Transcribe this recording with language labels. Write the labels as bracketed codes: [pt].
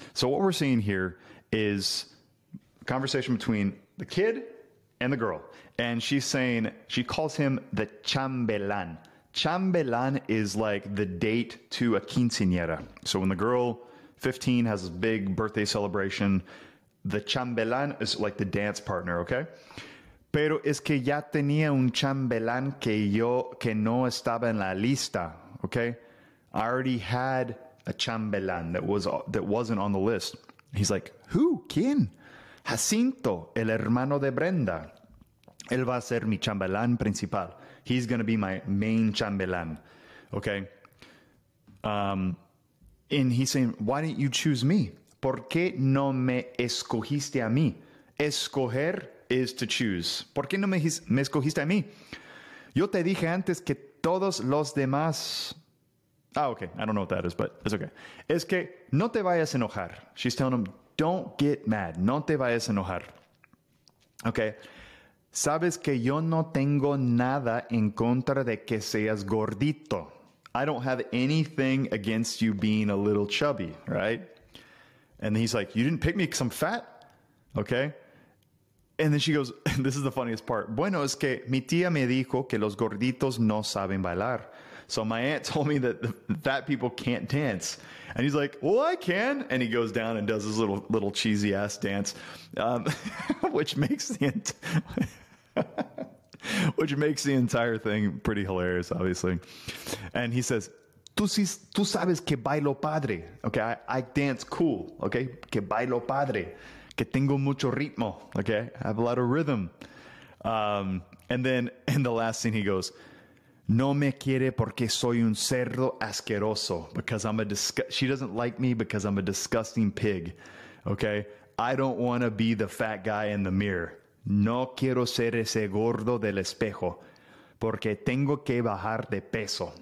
[en] So what we're seeing here is conversation between the kid and the girl, and she's saying, she calls him the chambelán. Chambelán is like the date to a quinceañera. So when the girl 15 has a big birthday celebration, the chambelán is like the dance partner, okay? [es] Pero es que ya tenía un chambelán que no estaba en la lista, okay? [en] I already had a chambelán that wasn't on the list. He's like, who? [es] ¿Quién? Jacinto, el hermano de Brenda. Él va a ser mi chambelán principal. [en] He's going to be my main chambelán, okay? And he's saying, why didn't you choose me? [es] ¿Por qué no me escogiste a mí? Escoger [en] is to choose. [es] ¿Por qué no me escogiste a mí? Yo te dije antes que todos los demás... [en] Ah, okay. I don't know what that is, but it's okay. [es] Es que no te vayas a enojar. [en] She's telling him, don't get mad. [es] No te vayas a enojar. Okay. Sabes que yo no tengo nada en contra de que seas gordito. [en] I don't have anything against you being a little chubby, right? And he's like, you didn't pick me because I'm fat, okay? And then she goes, and this is the funniest part. [es] Bueno, es que mi tía me dijo que los gorditos no saben bailar. [en] So my aunt told me that the fat people can't dance. And he's like, well, I can. And he goes down and does his little cheesy ass dance, which makes the entire thing pretty hilarious, obviously. And he says, [es] tú sabes que bailo padre. [en] Okay, I dance cool. Okay, [es] que bailo padre. Que tengo mucho ritmo. [en] Okay, I have a lot of rhythm. And then in the last scene, he goes, [es] no me quiere porque soy un cerdo asqueroso. [en] Because I'm a she doesn't like me because I'm a disgusting pig. Okay, I don't want to be the fat guy in the mirror. [es] No quiero ser ese gordo del espejo, porque tengo que bajar de peso.